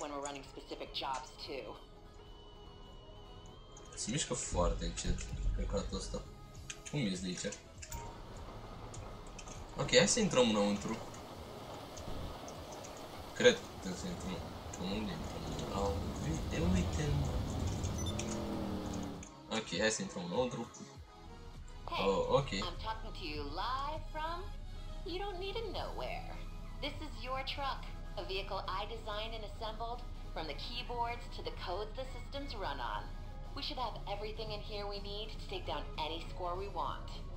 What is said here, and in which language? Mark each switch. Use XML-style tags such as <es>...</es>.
<en>when we're running specific jobs too.</en> <ro>Se mișcă foarte încet recordul ăsta. Cum îți zice? Ok, hai să intrăm înăuntru. Cred că trebuie să intru. Cum unde intru? Uite, uite. Ok, hai să intru înăuntru. Hey, oh, ok.</ro> <en>I'm talking to you live from... You don't need to know where. This is your truck. A vehicle I designed and assembled. From the keyboards to the codes the systems run on. We should have everything in here we need to take down any score we want.</en>